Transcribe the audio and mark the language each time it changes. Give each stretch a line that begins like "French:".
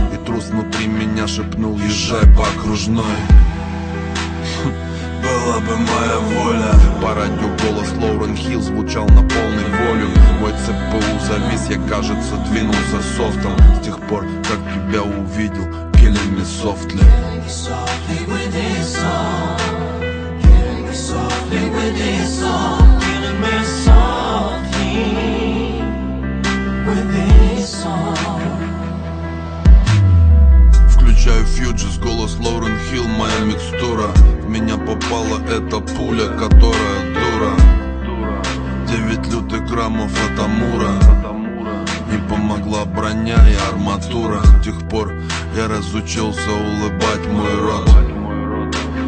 Russian: И трус внутри меня шепнул: езжай по окружной. Была бы моя воля. По радио голос Лоурен Хилл звучал на полный волю. Мой ЦПУ завис, я, кажется, двинулся софтом. С тех пор, как тебя увидел,
English: killing me softly. Killing me softly with this song. Killing me softly with this song. Killing me softly with this song.
Russian: Включаю фьюджерс, голос Лоурен Хилл, моя микстура. В меня попала эта пуля, которая дура. 9 лютых граммов от Амура. Не помогла броня и арматура. С тех пор я разучился улыбать мой рот.